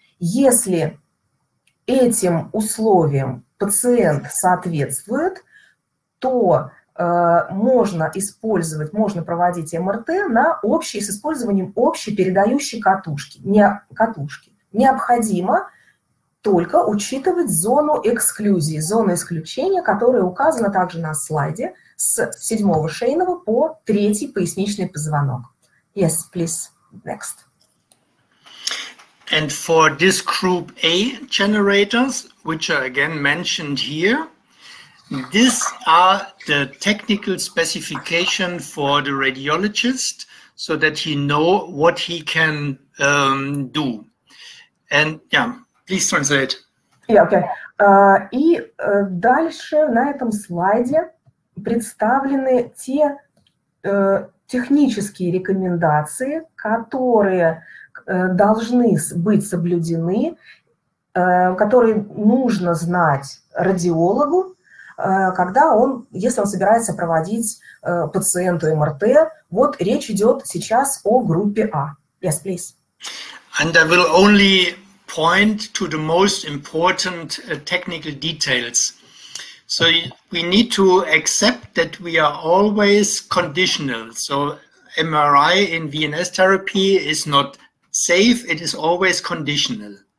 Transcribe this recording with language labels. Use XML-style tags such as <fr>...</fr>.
<ru>Если этим условиям пациент соответствует, то можно использовать, можно проводить МРТ на общий, с использованием общей передающей катушки. Необходимо только учитывать зону эксклюзии, зону исключения, которая указана также на слайде с 7-го шейного по 3-й поясничный позвонок.</ru> <en>Yes, please, next. And for this group A generators, which are again mentioned here, these are the technical specification for the radiologist so that he know what he can do. And yeah, please translate. Yeah, okay.</en> <ru>И дальше на этом слайде представлены те технические рекомендации, которые должны быть соблюдены, которые нужно знать радиологу, когда он, если он собирается проводить пациенту МРТ. Вот речь идет сейчас о группе А.</ru> <en>Yes, please. And I will only point to the most important technical details. So we need to accept that we are always conditional. So MRI in VNS therapy is not safe, it is always conditional.</en>